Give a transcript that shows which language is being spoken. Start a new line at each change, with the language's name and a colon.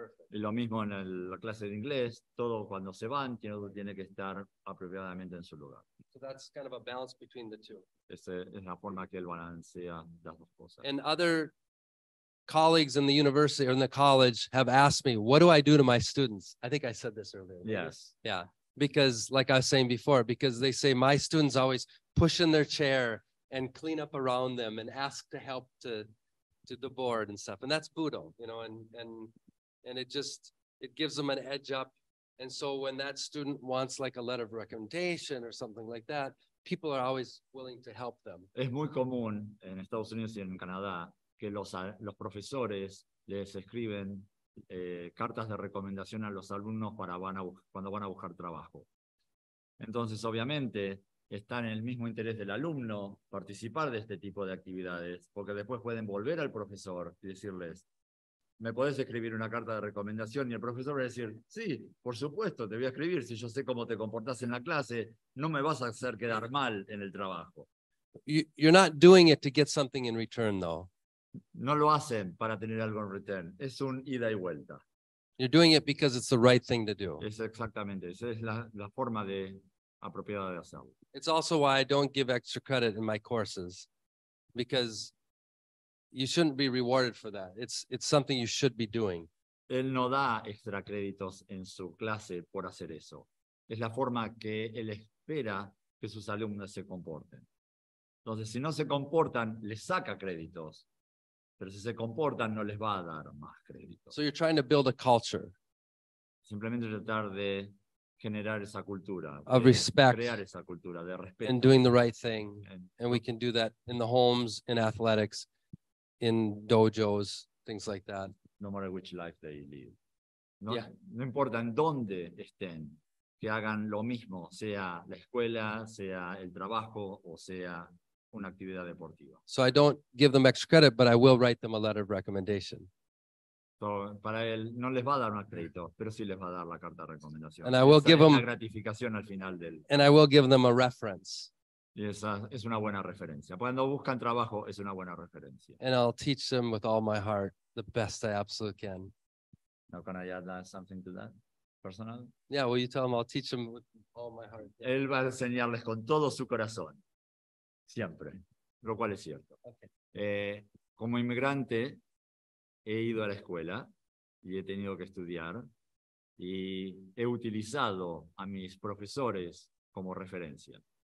Spanish: Y lo mismo en la clase de inglés, todo cuando se van tiene que estar apropiadamente en su lugar.
English: So that's kind of a balance between the two.
Spanish: Esa es la forma que él balancea las dos cosas.
English: And other colleagues in the university or in the college have asked me, what do I do to my students? I think I said this earlier. Yes. Yeah. Because like I was saying before, because they say my students always push in their chair and clean up around them and ask to help to the board and stuff. And that's Budo, you know, and it gives them an edge up. And so when that student wants like a letter of recommendation or something like that, people are always willing to help them.
Spanish: Es muy común en Estados Unidos y en Canadá que los profesores les escriben cartas de recomendación a los alumnos cuando van a buscar trabajo. Entonces, obviamente, está en el mismo interés del alumno participar de este tipo de actividades, porque después pueden volver al profesor y decirles, ¿me podés escribir una carta de recomendación? Y el profesor va a decir, sí, por supuesto, te voy a escribir. Si yo sé cómo te comportás en la clase, no me vas a hacer quedar mal en el trabajo.
English: You're not doing it to get something in return, though.
Spanish: No lo hacen para tener algo en return. Es un ida y vuelta.
English: You're doing it because it's the right thing to do.
Spanish: Es exactamente. Esa es la forma de apropiada de hacerlo.
English: It's also why I don't give extra credit in my courses. Because you shouldn't be rewarded for that. It's something you should be doing.
Spanish: Él no da extra créditos en su clase por hacer eso. Es la forma que él espera que sus alumnos se comporten. Entonces, si no se comportan, les saca créditos. Pero si se comportan, no les va a dar más crédito.
English: So you're trying to build a culture.
Spanish: Simplemente tratar de generar esa cultura.
English: Of respect.
Spanish: Crear esa cultura de respeto.
English: And doing the right thing. And we can do that in the homes, in athletics, in dojos, things like that. No matter which life they live.
Spanish: No importa en dónde estén, que hagan lo mismo, sea la escuela, sea el trabajo, o sea una actividad deportiva.
English: So I don't give them extra credit, but I will write them a letter of recommendation.
Spanish: So, para él no les va a dar un crédito, pero sí les va a dar la carta de recomendación.
English: And I will give them
Spanish: la gratificación al final del.
English: And I will give them a reference.
Spanish: Y esa es una buena referencia. Cuando buscan trabajo es una buena referencia.
English: And I'll teach them with all my heart the best I absolutely can. Now can I add something to that? Personal? Yeah, will you tell them I'll teach them with all my heart? Yeah.
Spanish: Él va a enseñarles con todo su corazón. Siempre, lo cual es cierto.
English: Okay.
Spanish: como inmigrante he ido a la escuela y he tenido que estudiar y he utilizado a mis profesores como referencia.